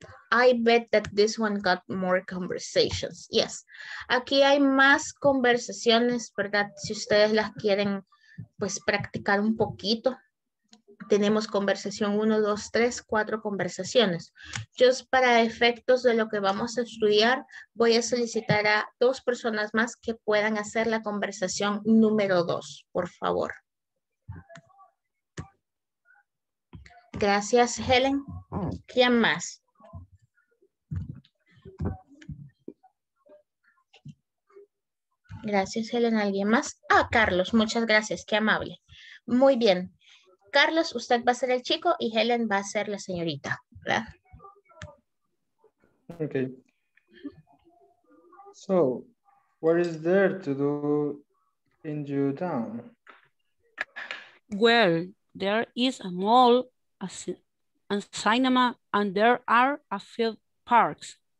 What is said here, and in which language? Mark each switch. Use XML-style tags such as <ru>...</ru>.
<en>I bet that this one got more conversations. Yes.</en> <es>Aquí hay más conversaciones, ¿verdad? Si ustedes las quieren, pues, practicar un poquito. Tenemos conversación 1, 2, 3, 4 conversaciones. Yo para efectos de lo que vamos a estudiar, voy a solicitar a dos personas más que puedan hacer la conversación número 2, por favor. Gracias, Helen. ¿Quién más? Gracias, Helen. ¿Alguien más? Ah, Carlos, muchas gracias. Qué amable. Muy bien. Carlos, usted va a ser el chico y Helen va a ser la señorita, ¿verdad?</es> <en>Okay. So, what is there to do in your town? Well, there is a mall, a cinema, and there are a few parks.</en>